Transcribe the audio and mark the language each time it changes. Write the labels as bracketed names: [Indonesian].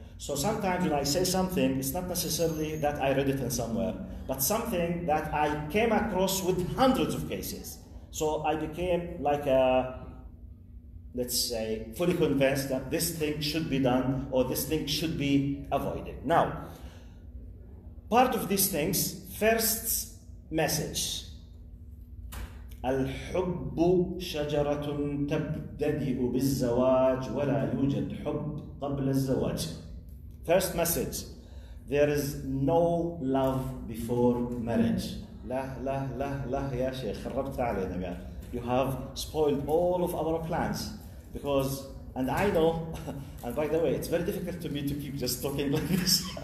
[English] So sometimes when I say something, it's not necessarily that I read it in somewhere, but something that I came across with hundreds of cases. So I became like a, let's say, fully convinced that this thing should be done or this thing should be avoided. Now, part of these things, first message. [Arabic] الحب شجرة تبدأ بالزواج ولا يوجد حب قبل الزواج. [English] First message, there is no love before marriage. [Arabic] لا يا شيخ خربت علينا يا. [English] You have spoiled all of our plans because, and I know, and by the way, it's very difficult to me to keep just talking like this.